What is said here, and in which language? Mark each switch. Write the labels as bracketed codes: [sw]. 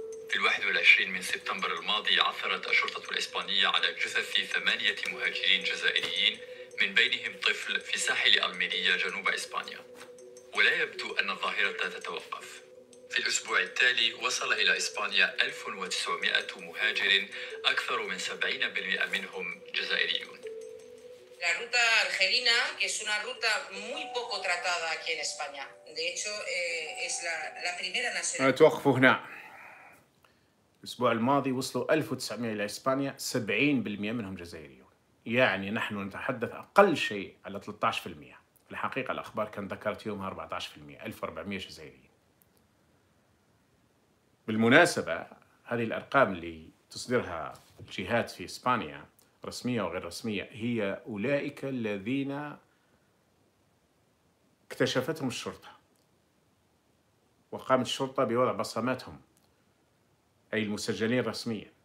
[ar] في 21 من سبتمبر الماضي عثرت الشرطة الإسبانية على جثث 8 مهاجرين جزائريين من بينهم طفل في ساحل ألميريا جنوب إسبانيا، ولا يبدو أن الظاهرة تتوقف. في الأسبوع التالي وصل إلى إسبانيا 1900 مهاجر، أكثر من 70% منهم جزائريون. [es] La ruta argelina, que es una ruta muy poco tratada aquí en España. De hecho, es la primera nacional. [ar] توقفوا هنا. الأسبوع الماضي وصلوا 1900 إلى إسبانيا، 70% منهم جزائريون. يعني نحن نتحدث أقل شيء على 13%. الحقيقة الأخبار كان ذكرت يومها 14%، 1400 جزائري. بالمناسبة هذه الأرقام اللي تصدرها الجهات في إسبانيا رسمية وغير رسمية هي أولئك الذين اكتشفتهم الشرطة وقامت الشرطة بوضع بصماتهم، أي المسجلين رسميا.